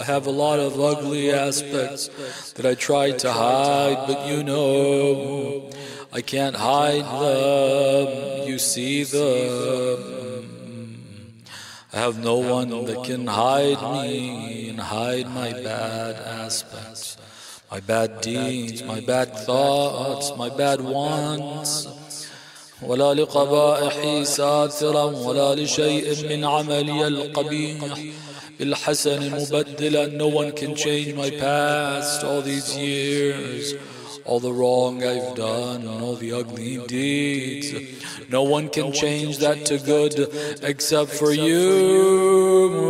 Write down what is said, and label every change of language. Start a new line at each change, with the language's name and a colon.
English: I have a lot of ugly aspects that I try to hide, but you know I can't hide them. You see them. I have no one that can hide me and hide my bad aspects, my bad deeds, my bad thoughts, my bad wants.
Arabic: ولا لقبائحي ساترا ولا لشيء من عملي القبيح بالحسن مبدلا.
English: No one can change my past, all these years, all the wrong I've done and all the ugly deeds. No one can change that to good except for you.